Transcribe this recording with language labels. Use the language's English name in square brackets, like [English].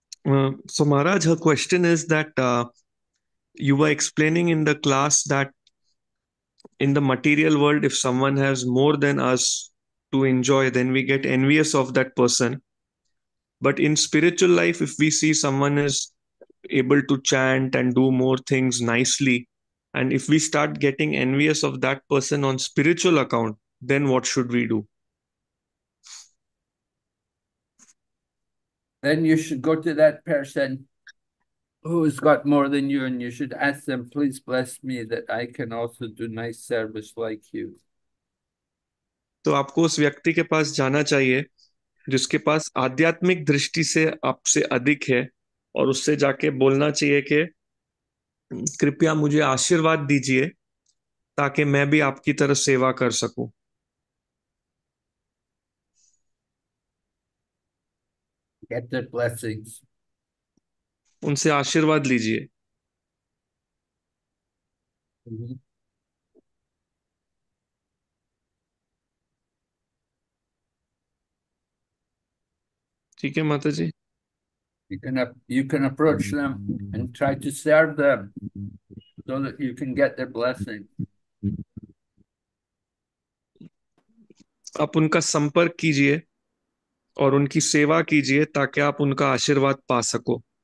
[English] Okay so Maharaj, her question is that you were explaining in the class that in the material world if someone has more than us to enjoy then we get envious of that person, but in spiritual life if we see someone is able to chant and do more things nicely and if we start getting envious of that person on spiritual account then what should we do? Then you should go to that person who's got more than you, and you should ask them, please bless me that I can also do nice service like you. [Hindi] तो आपको उस व्यक्ति के पास जाना चाहिए जिसके पास आध्यात्मिक दृष्टि से आपसे अधिक है, और उससे जाके बोलना चाहिए कि कृपया मुझे आशीर्वाद दीजिए ताकि मैं भी आपकी तरह सेवा कर सकूं। [English] Get their blessings. [Hindi] उनसे आशीर्वाद लीजिए। ठीक है माता जी। [English] You can approach them and try to serve them so that you can get their blessing. [Hindi] उनका संपर्क कीजिए और उनकी सेवा कीजिए ताकि आप उनका आशीर्वाद पा सको।